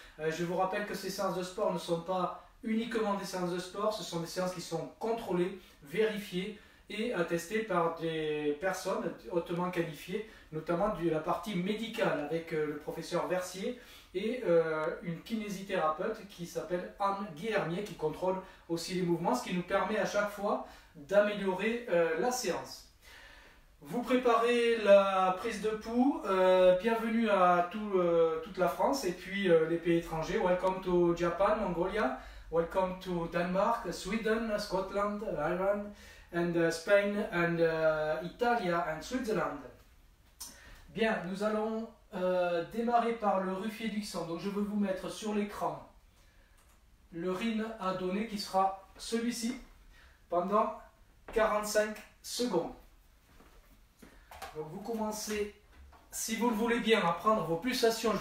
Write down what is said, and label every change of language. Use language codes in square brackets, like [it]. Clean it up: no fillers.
[fr] Je vous rappelle que ces séances de sport ne sont pas uniquement des séances de sport, ce sont des séances qui sont contrôlées, vérifiées et attestées par des personnes hautement qualifiées, notamment de la partie médicale avec le professeur Versier et une kinésithérapeute qui s'appelle Anne Guillermier qui contrôle aussi les mouvements, ce qui nous permet à chaque fois d'améliorer la séance. Vous préparez la prise de pouls, bienvenue à toute la France et puis les pays étrangers. [en] Welcome to Japan, Mongolia, welcome to Denmark, Sweden, Scotland, Ireland, and Spain, and Italia, and Switzerland. [fr] Bien, nous allons démarrer par le Ruffier-Dixon. Donc je vais vous mettre sur l'écran le rythme à donner qui sera celui-ci pendant 45 secondes. Donc vous commencez, si vous le voulez bien, à prendre vos pulsations.